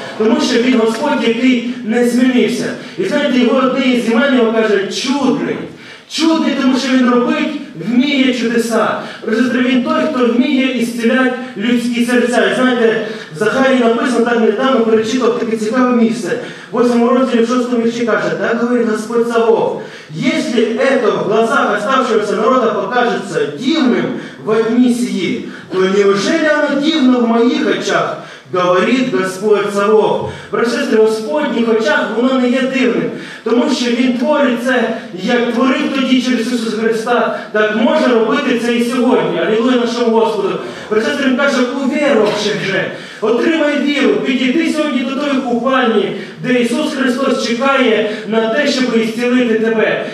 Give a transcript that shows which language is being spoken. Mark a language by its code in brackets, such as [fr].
[uk] Тому що він Господь, який не змінився. І знаєте, його одне із імен його каже, чудний. Чудний, тому що він робить, вміє чудеса. Брат-сестри, він той, хто вміє і зціляє людські серця. І знаєте, в Захарії написано, так недавно перечитав таке цікаве місце. 8 розділі 6 вірші каже, так говорить Господь Саввоф, [ru] «Если это в глазах оставшегося народа покажется дивным в дни сии, то неужели оно дивно в моих очах?» Говорит Господь Саввоф. [uk] Прошестри, в Господніх очах воно не є дивним, тому що Він творить це, як творив тоді через Ісуса Христа, так може робити це і сьогодні. Алілуя нашому Господу. Прошестри, каже, увірувавши вже, отримай віру, підійди сьогодні до тої купальні, де Ісус Христос чекає на те, щоб зцілити тебе.